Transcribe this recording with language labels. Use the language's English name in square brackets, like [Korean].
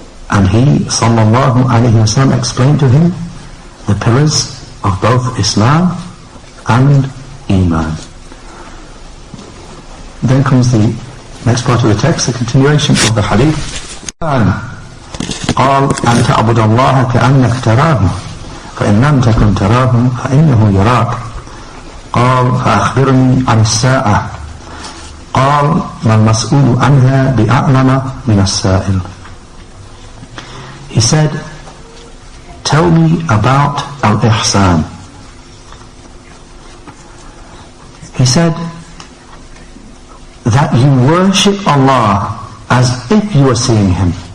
[English] And he, sallallahu alayhi wa sallam, explained to him the pillars of both Islam and Iman. Then comes the next part of the text, the continuation of the hadith. [Arabic] قال أن تعبد الله كأنك تراه فإن لم تكن تراه فإنه يراك قال فأخبرني عن الساعة قال ما المسؤول عنها بأعلم من السائل. [English] He said, tell me about al-ihsan. He said, that you worship Allah as if you are seeing Him.